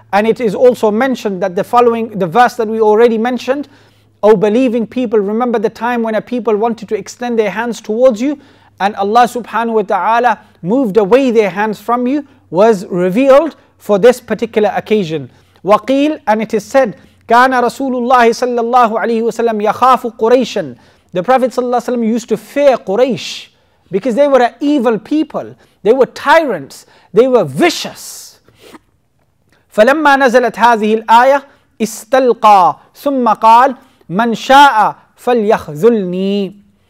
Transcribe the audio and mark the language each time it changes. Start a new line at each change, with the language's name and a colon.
English: And it is also mentioned that the following, the verse that we already mentioned, O believing people, remember the time when a people wanted to extend their hands towards you, and Allah subhanahu wa ta'ala moved away their hands from you, was revealed for this particular occasion.
Arabic: وَقِيلَ,
English: and it is said,
Arabic: كَانَ رَسُولُ اللَّهِ صَلَّى اللَّهُ عَلَيْهِ وَسَلَّمْ يَخَافُ قُرَيْشًا.
English: The Prophet sallallahu alayhi wa sallam used to fear Quraysh, because they were an evil people. They were tyrants. They were vicious.
Arabic: فَلَمَّا نَزَلَتْ هَذِهِ الْآيَةِ اسْتَلْقَى ثُمَّ قَالَ مَنْ شَاءَ فَلْيَخْذُلْنِي.